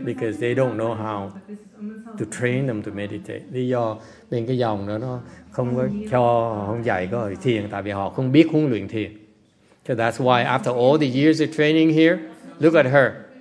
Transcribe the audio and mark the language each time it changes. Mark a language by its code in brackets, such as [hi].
[en] Because they don't know how to train them to meditate. [vi] Lý do bên cái dòng đó nó không có cho, không dạy có hồi thiền, tại vì họ không biết huấn luyện thiền. [en] So that's why after all the years of training here, look at her.